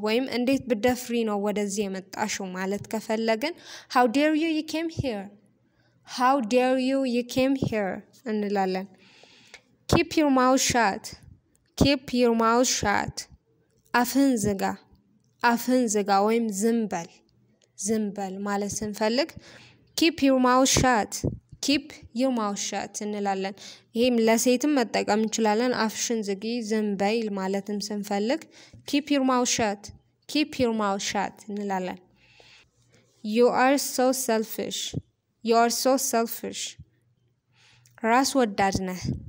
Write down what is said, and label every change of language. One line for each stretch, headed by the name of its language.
Amharic: ወይም እንዴት በደፍሪ ነው ወደዚህ የመጣሽው ማለት ከፈለግን
English: How dare you, you came here? How dare you, you came here?
Amharic: እንላለን.
English: Keep your mouth shut. Keep your mouth shut.
Amharic: አፍህን ዝጋ. አፍህን ዝጋ ወይም ዝም በል. ዝም በል ማለት ስንፈልግ
English: Keep your mouth shut. Keep your mouth shut.
Amharic: እንላለን. ይሄም ለሴትም መጠቀም እንችላለን. አፍሽን ዝጊ ዝም በይ ማለትም ስንፈልግ
English: Keep your mouth shut. Keep your mouth shut.
Amharic: እንላለን.
English: You are so selfish. You are so selfish.
Amharic: ራስ ወዳድ ነህ.